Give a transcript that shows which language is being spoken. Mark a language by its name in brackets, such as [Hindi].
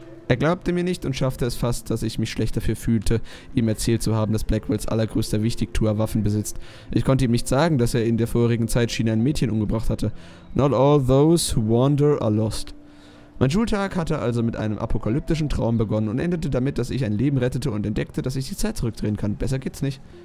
[German] Er glaubte mir nicht und schaffte es fast, dass ich mich schlecht dafür fühlte, ihm erzählt zu haben, dass Blackwells allergrößter Wichtigtuer Waffen besitzt. Ich konnte ihm nicht sagen, dass er in der vorherigen Zeit schien ein Mädchen umgebracht hatte. [English] Not all those who wander are lost. [German] Mein Schultag hatte also mit einem apokalyptischen Traum begonnen und endete damit, dass ich ein Leben rettete und entdeckte, dass ich die Zeit zurückdrehen kann. Besser geht's nicht.